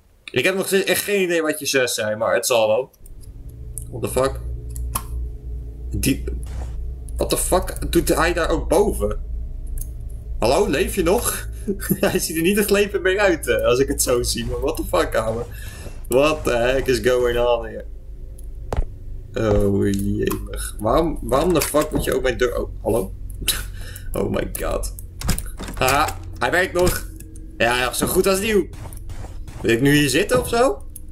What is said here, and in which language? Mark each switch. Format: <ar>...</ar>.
<nl>Ik heb nog echt geen idee wat je zus zei, maar het zal wel.</nl> <en>What the fuck? What the fuck</en> <nl>doet hij daar ook boven? Hallo, leef je nog? Hij ziet er niet een glepen meer uit, als ik het zo zie, maar</nl> <en>what the fuck,</en> <nl>kamer?</nl> <en>What the heck is going on here?</en> <nl>Oh, jemig. Waarom de fuck moet je ook mijn deur... Oh, hallo?</nl> <en>Oh my god.</en> <nl>Haha, hij werkt nog. Ja, zo goed als nieuw. Wil ik nu hier zitten of zo?</nl>